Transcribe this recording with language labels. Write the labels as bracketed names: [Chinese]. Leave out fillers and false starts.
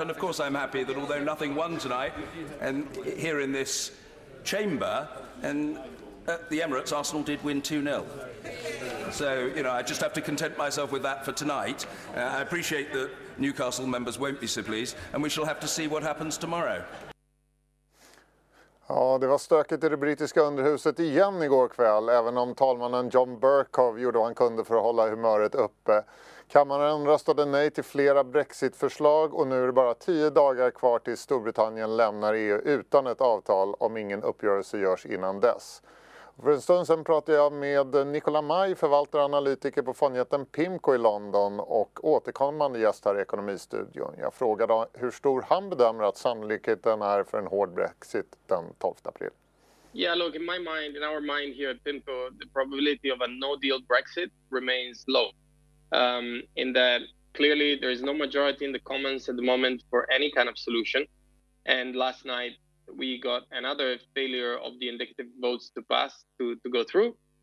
[English] And of course I'm happy that although nothing won tonight, and here in this chamber and at the Emirates, Arsenal did win 2-0. So, you know, I just have to content myself with that for tonight. I appreciate that Newcastle members won't be so pleased, and we shall have to see what happens tomorrow. [Swedish] Ja, det var stökigt i det brittiska underhuset igen igår kväll, även om talmannen John Bercow gjorde vad han kunde för att hålla humöret uppe. Kammaren röstade nej till flera Brexit-förslag och nu är det bara 10 dagar kvar till Storbritannien lämnar EU utan ett avtal om ingen uppgörelse görs innan dess. För en stund sedan pratade jag med Nicola May, förvaltare och analytiker på fondjätten Pimco i London och återkommande gäst här i Ekonomistudion. Jag frågade hur stor han bedömer att sannolikheten är för en hård Brexit den 12 april. [English] Yeah, look, in my mind, in our mind here at Pimco, the probability of a no-deal Brexit remains low. In that, clearly, there is no majority in the Commons at the moment for any kind of solution. And last night, we got another failure of the indicative votes to pass, to go through.